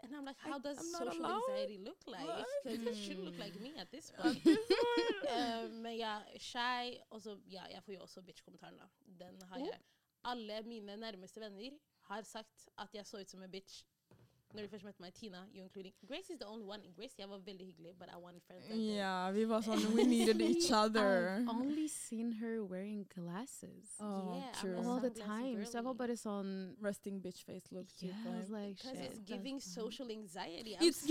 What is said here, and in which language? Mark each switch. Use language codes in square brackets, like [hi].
[en] And I'm like, how does social anxiety look like? Because it shouldn't look like me at this point. [no] men ja, shy. Også, ja, jeg får jo også bitch-kommentaren da. Den har jeg. Alle mine nærmeste venner har sagt at jeg så ut som en bitch når de først møtte meg. [en] Tina, you including. Grace is the only one. [no] Grace, jeg var veldig hyggelig, [en] but I wanted friends. Yeah, [no] vi var sånn, [en] we needed each other. I've only seen her wearing glasses. Oh, yeah, true. All the time. Girly. [no] Så jeg var bare sånn, [en] resting bitch face look. Yeah, cute, I was like, shit. Because it's giving social anxiety. It's scared.